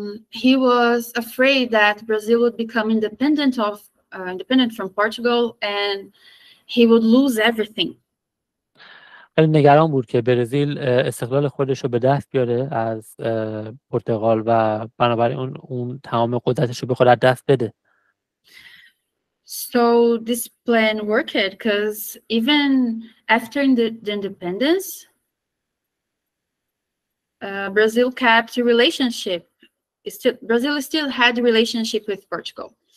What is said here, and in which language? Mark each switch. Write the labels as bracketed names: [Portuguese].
[English] He was afraid that Brazil would become independent from Portugal and he would lose everything. [Persian] خیلی نگران بود که برزیل استقلال خودش رو به دست بیاره از پرتغال و بنابراین اون تمام قدرتش رو بخواد از دست بده. [English] So this plan worked because even after the independence Brazil kept a relationship. Brazil still had a relationship with Portugal.